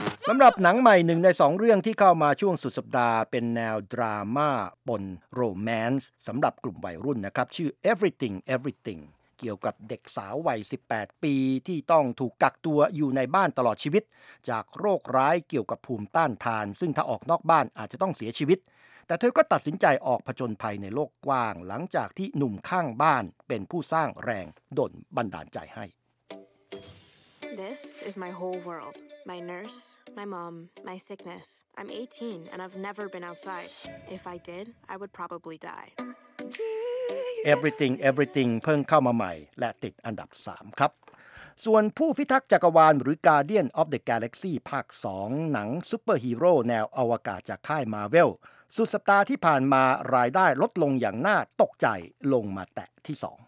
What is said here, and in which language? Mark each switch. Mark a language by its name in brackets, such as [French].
[Thai] สำหรับหนังใหม่หนึ่งในสองเรื่องที่เข้ามาช่วงสุดสัปดาห์เป็นแนวดราม่าปนโรแมนส์สำหรับกลุ่มวัยรุ่นนะครับชื่อ Everything เกี่ยวกับเด็กสาววัย18ปีที่ต้องถูกกักตัวอยู่ในบ้านตลอดชีวิตจากโรคร้ายเกี่ยวกับภูมิต้านทานซึ่งถ้าออกนอกบ้านอาจจะต้องเสียชีวิตแต่เธอก็ตัดสินใจออกผจญภัยในโลกกว้างหลังจากที่หนุ่มข้างบ้านเป็นผู้สร้างแรงดลบันดาลใจให้ [English] This is my whole world. My nurse, my mom, my sickness. I'm 18 and I've never been outside. If I did, I would probably die. [Thai] Everything เพิ่งเข้ามาใหม่และติดอันดับ3ครับส่วนผู้พิทักษ์จักรวาลหรือ Guardian of the Galaxy ภาค2หนังซุปเปอร์ฮีโร่แนวอวกาศจากค่าย Marvel สุดสัปดาห์ที่ผ่านมารายได้ลดลงอย่างน่าตกใจลงมาแตะที่2